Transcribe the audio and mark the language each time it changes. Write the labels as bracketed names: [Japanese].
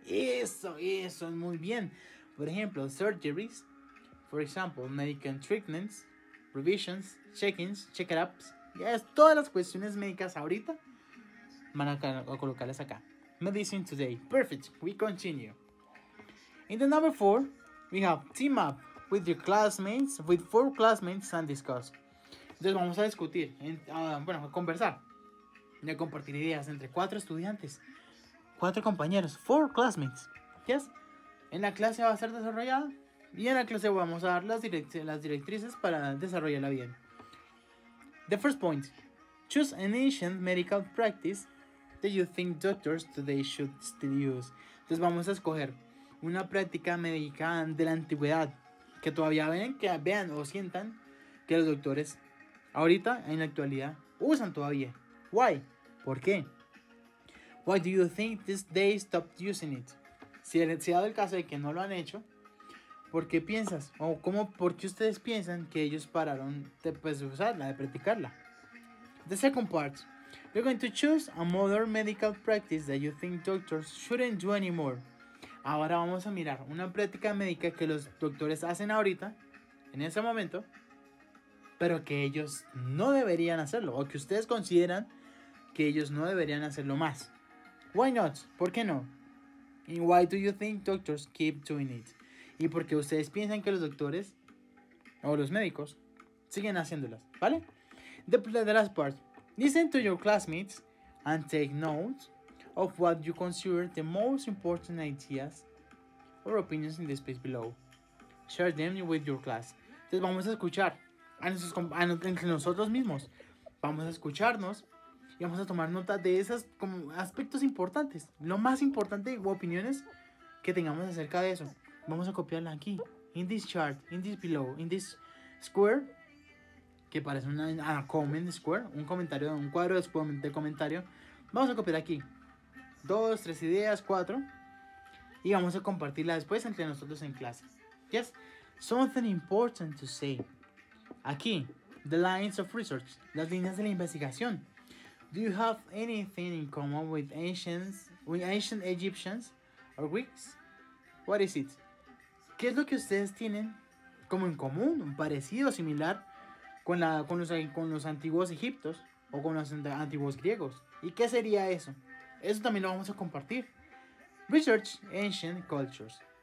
[Spanish] Eso es muy bien. Por ejemplo, surgeries. [English] For example, medical treatments, revisions, check-ins, check-ups. Yes, [Spanish] todas las cuestiones médicas ahorita van a colocarlas acá. [English] Medicine today. Perfect. We continue. In the number 4, we have team up with your classmates, with 4 classmates and discuss. [Spanish] Entonces vamos a discutir, a conversar y a compartir ideas entre 4 estudiantes, 4 compañeros, 4 classmates. [English] Yes. [Spanish] En la clase va a ser desarrollada y en la clase vamos a dar las directrices para desarrollarla bien. [English] The first point. Choose an ancient medical practice that you think doctors today should still use. [Spanish] Entonces vamos a escoger una práctica médica de la antigüedad que todavía ven, que vean o sientan que los doctores ahorita en la actualidad usan todavía. [English] Why? [Spanish] ¿Por qué? [English] Why do you think this they stopped using it? [Spanish] Si se ha dado el caso de que no lo han hecho, ¿por qué piensas? O cómo, ¿por qué ustedes piensan que ellos pararon de pues, usarla, de practicarla? [English] The second part. You're going to choose a modern medical practice that you think doctors shouldn't do anymore. [Spanish] Ahora vamos a mirar una práctica médica que los doctores hacen ahorita, en ese momento, pero que ellos no deberían hacerlo, o que ustedes consideran que ellos no deberían hacerlo más. [English] Why not? [Spanish] ¿Por qué no? [English] And why do you think doctors keep doing it? [Spanish] Y porque ustedes piensan que los doctores, o los médicos, siguen haciéndolas, ¿vale? [English] The last part. Listen to your classmates and take notes of what you consider the most important ideas or opinions in the space below. Share them with your class. [Spanish] Entonces vamos a escuchar entre nosotros mismos. Vamos a escucharnos y vamos a tomar nota de esos como aspectos importantes. Lo más importante o opiniones que tengamos acerca de eso. Vamos a copiarla aquí. [English] In this chart, in this below, in this square. [Spanish] Que parece una [English] comment square, [Spanish] un comentario, un cuadro de comentario. Vamos a copiar aquí 2, 3 ideas, 4. Y vamos a compartirla después entre nosotros en clase. [English] Yes, something important to say. [Spanish] Aquí, [English] the lines of research, [Spanish] las líneas de la investigación. [English] Do you have anything in common with ancient Egyptians or Greeks? What is it? [Spanish] ¿Qué es lo que ustedes tienen como en común, un parecido, similar con los antiguos egiptos o con los antiguos griegos? ¿Y qué sería eso? Eso también lo vamos a compartir. [English] Research ancient cultures.